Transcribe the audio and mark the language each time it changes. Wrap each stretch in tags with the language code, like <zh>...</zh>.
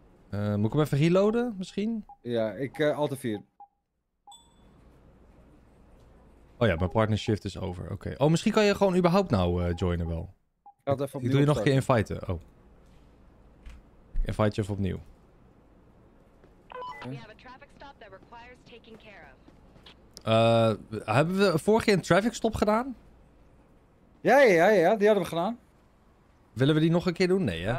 <nl>Moet ik hem even reloaden, misschien? Ja, ik Alt 4. Oh ja, mijn partner</nl> <en>shift is over,</en> <nl>oké. Okay. Oh, misschien kan je gewoon überhaupt nou joinen wel. Ik doe je nog een keer inviten, oh. Ik invite je even opnieuw.</nl> <en>We have a traffic stop that requires taking care of.</en> <nl>Hebben we vorige keer een traffic stop gedaan? Ja, ja, ja, die hadden we gedaan. Willen we die nog een keer doen? Nee, hè?</nl>